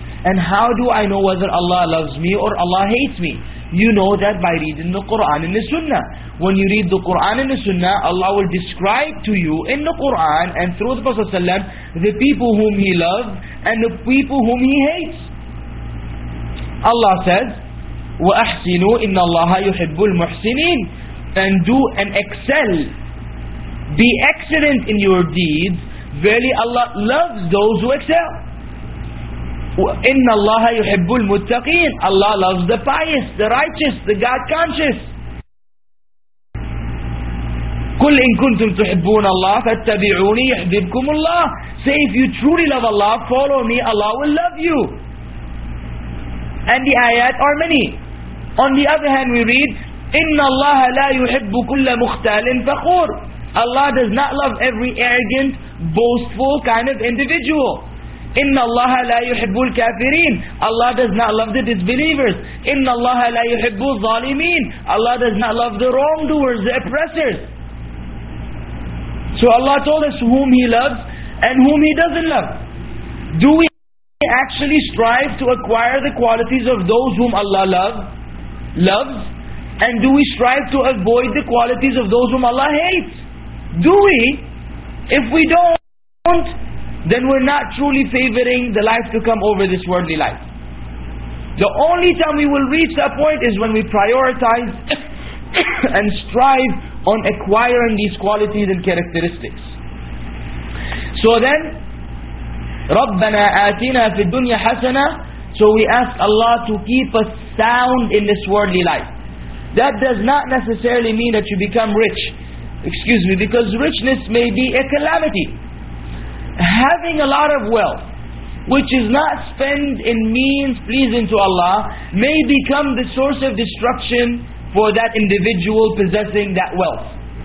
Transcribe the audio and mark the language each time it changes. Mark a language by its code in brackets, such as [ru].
[en] And how do I know whether Allah loves me or Allah hates me? You know that by reading the Quran and the Sunnah. When you read the Quran and the Sunnah, Allah will describe to you in the Quran and through the Prophet ﷺ the people whom He loves and the people whom He hates. [ar] Allah says, وَأَحْسِنُوا إِنَّ اللَّهَ يُحِبُّ الْمُحْسِنِينَ. [en] And do and excel. Be excellent in your deeds. Verily Allah loves those who excel. [ar] إِنَّ اللَّهَ يُحِبُّ الْمُتَّقِينَ. [en] Allah loves the pious, the righteous, the God-conscious. [ar] قُلْ إِن كُنْتُمْ تُحِبُّونَ اللَّهَ فَاتَّبِعُونِي يَحْبِبْكُمُ اللَّهِ. [en] Say, if you truly love Allah, follow me, Allah will love you. And the ayat are many. [ar] On the other hand, we read, إِنَّ اللَّهَ لَا يُحِبُّ كُلَّ مُخْتَالٍ فَخُورٍ. [en] Allah does not love every arrogant, boastful kind of individual. [ar] إِنَّ اللَّهَ لَا يُحِبُّ الْكَافِرِينَ. [en] Allah does not love the disbelievers. [ar] إِنَّ اللَّهَ لَا يُحِبُّ الظَّالِمِينَ. [en] Allah does not love the wrongdoers, the oppressors. So Allah told us whom He loves and whom He doesn't love. Do we actually strive to acquire the qualities of those whom Allah loves? And do we strive to avoid the qualities of those whom Allah hates? Do we? If we don't, then we're not truly favoring the life to come over this worldly life. The only time we will reach that point is when we prioritize and strive on acquiring these qualities and characteristics. [ar] So then, رَبَّنَا آتِنَا فِي الدُّنْيَا حَسَنَةً. [en] So we ask Allah to keep us sound in this worldly life. That does not necessarily mean that you become rich. Excuse me, because richness may be a calamity. Having a lot of wealth, which is not spent in means pleasing to Allah, may become the source of destruction for that individual possessing that wealth.